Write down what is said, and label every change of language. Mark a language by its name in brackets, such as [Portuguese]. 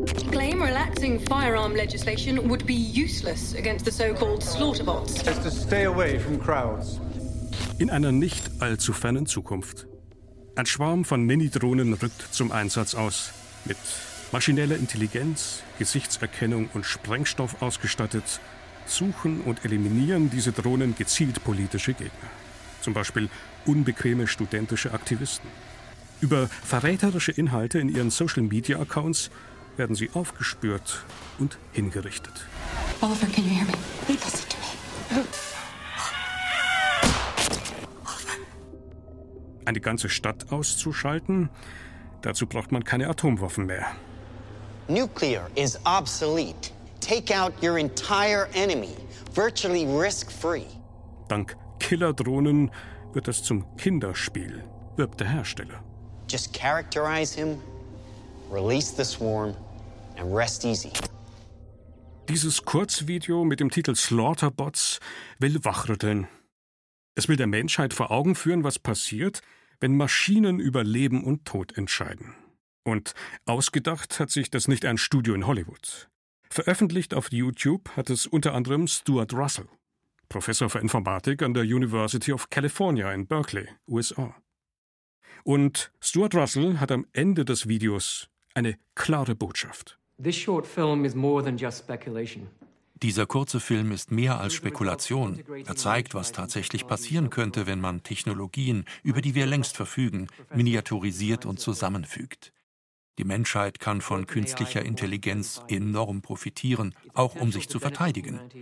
[English] Claim relaxing firearm legislation would be useless against the so-called slaughterbots. Just to stay away from crowds. [German] In einer nicht allzu fernen Zukunft. Ein Schwarm von Mini-Drohnen rückt zum Einsatz aus. Mit maschineller Intelligenz, Gesichtserkennung und Sprengstoff ausgestattet, suchen und eliminieren diese Drohnen gezielt politische Gegner. Zum Beispiel unbequeme studentische Aktivisten. Über verräterische Inhalte in ihren Social-Media-Accounts werden sie aufgespürt und hingerichtet. [English] Oliver, can you hear me? Listen to me. [German] Eine ganze Stadt auszuschalten, dazu braucht man keine Atomwaffen mehr. [English] Nuclear is obsolete. Take out your entire enemy, virtually risk-free. [German] Dank Killer-Drohnen wird das zum Kinderspiel, wirbt der Hersteller. [English] Just characterize him, release the swarm and rest easy. [German] Dieses Kurzvideo mit dem Titel Slaughterbots will wachrütteln. Es will der Menschheit vor Augen führen, was passiert, wenn Maschinen über Leben und Tod entscheiden. Und ausgedacht hat sich das nicht ein Studio in Hollywood. Veröffentlicht auf YouTube hat es unter anderem Stuart Russell, Professor für Informatik an der University of California in Berkeley, USA. Und Stuart Russell hat am Ende des Videos eine klare Botschaft. [English] This short film is more than just speculation. [German] Dieser kurze Film ist mehr als Spekulation. Er zeigt, was tatsächlich passieren könnte, wenn man Technologien, über die wir längst verfügen, miniaturisiert und zusammenfügt. Die Menschheit kann von künstlicher Intelligenz enorm profitieren, auch um sich zu verteidigen.